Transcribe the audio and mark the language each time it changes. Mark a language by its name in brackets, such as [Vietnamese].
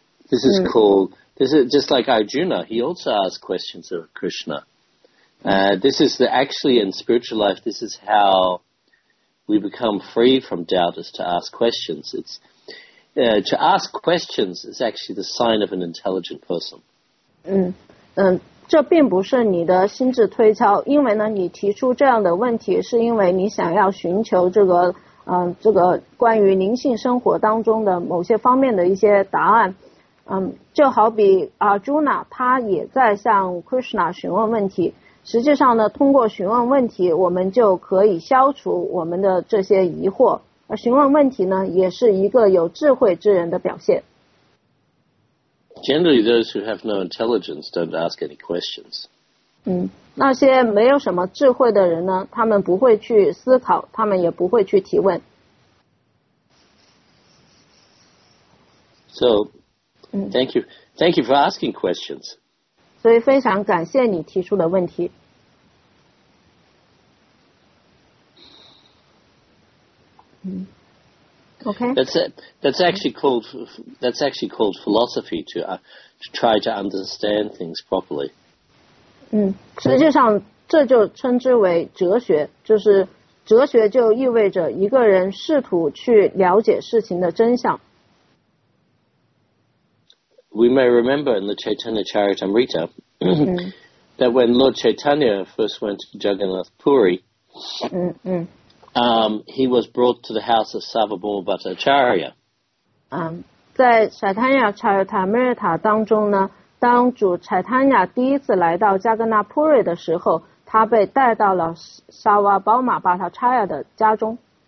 [English] This is called, this is just like Arjuna, he also asked questions of Krishna. This is actually in spiritual life, this is how we become free from doubt is to ask questions. It's, to ask questions is actually the sign of an intelligent person. [Chinese] 这并不是你的心智推敲，因为呢，你提出这样的问题是因为你想要寻求这个关于灵性生活当中的某些方面的一些答案。就好比Arjuna 他也在向 Krishna 询问问题。实际上呢，通过询问问题，我们就可以消除我们的这些疑惑。而询问问题呢，也是一个有智慧之人的表现。 [English] Generally, those who have no intelligence don't ask any questions. [Chinese] 那些没有什么智慧的人呢，他们不会去思考，他们也不会去提问。 [English] So, thank you for asking questions. [Chinese] 所以非常感谢你提出的问题。 [English] Okay. That's actually called philosophy to try to understand things properly. [Chinese] 实际上这就称之为哲学，就是哲学就意味着一个人试图去了解事情的真相。 [English] We may remember in the Chaitanya Charitamrita that when Lord Chaitanya first went to Jagannath Puri. He was brought to the house of Savabhauma Bhattacharya. [Chinese] 在 Chaitanya Charitamrita 当中呢，当主 Chaitanya 第一次来到加格纳普瑞的时候，他被带到了 Savabhauma Bhattacharya 的家中。